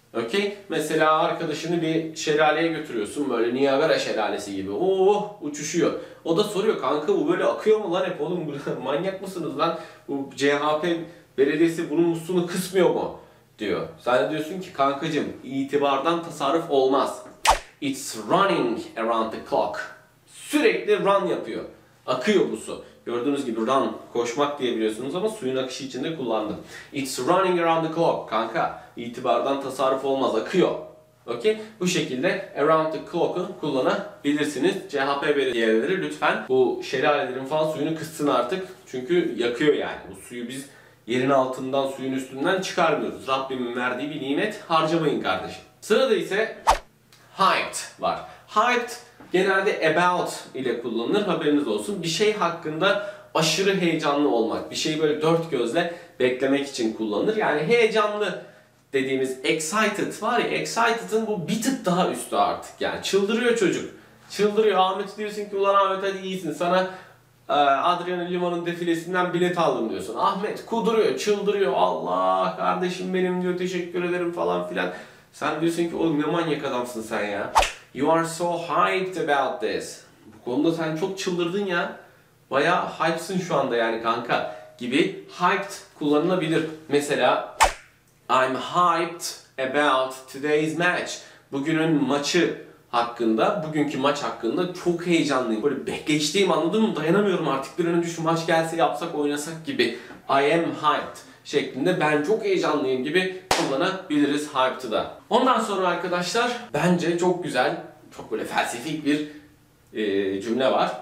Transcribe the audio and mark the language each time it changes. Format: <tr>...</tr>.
<tr>Okey, mesela arkadaşını bir şelaleye götürüyorsun böyle Niagara şelalesi gibi. Oo, uçuşuyor. O da soruyor kanka bu böyle akıyor mu lan hep oğlum manyak mısınız lan? Bu CHP belediyesi bunun musluğunu kısmıyor mu? Diyor. Sen de diyorsun ki kankacım itibardan tasarruf olmaz.</tr> <en>It's running around the clock.</en> <tr>Sürekli run yapıyor. Akıyor bu su. Gördüğünüz gibi run koşmak diyebiliyorsunuz ama suyun akışı içinde kullandım.</tr> <en>It's running around the clock.</en> <tr>Kanka itibardan tasarruf olmaz akıyor. Okey? Bu şekilde</tr> <en>around the clock'ı</en> <tr>kullanabilirsiniz. CHP belediyeleri lütfen bu şelalelerin falan suyunu kıssın artık. Çünkü yakıyor yani. Bu suyu biz yerin altından suyun üstünden çıkarmıyoruz. Rabbimin verdiği bir nimet harcamayın kardeşim. Sırada ise hyped var. Hyped genelde about ile kullanılır, haberiniz olsun. Bir şey hakkında aşırı heyecanlı olmak, bir şeyi böyle dört gözle beklemek için kullanılır. Yani heyecanlı dediğimiz excited var ya, excited'ın bu bir tık daha üstü artık yani. Çıldırıyor çocuk. Çıldırıyor. Ahmet diyorsun ki ulan Ahmet hadi iyisin. Sana Adriano Lima'nın defilesinden bilet aldım diyorsun. Ahmet kuduruyor, çıldırıyor. Allah kardeşim benim diyor, teşekkür ederim falan filan. Sen diyorsun ki oğlum ne manyak adamsın sen ya.</tr> <en>You are so hyped about this.</en> <tr>Bu konuda sen çok çıldırdın ya. Bayağı hype'sın şu anda yani kanka gibi hyped kullanılabilir.</tr> <en>Mesela I'm hyped about today's match.</en> <tr>Bugünün maçı hakkında, bugünkü maç hakkında çok heyecanlıyım. Böyle bekleştiğim, anladın mı? Dayanamıyorum artık, bir an önce şu maç gelse yapsak oynasak gibi.</tr> <en>I am hyped</en> <tr>şeklinde ben çok heyecanlıyım gibi kullanabiliriz hyped'ı da. Ondan sonra arkadaşlar bence çok güzel, çok böyle felsefik bir cümle var.</tr>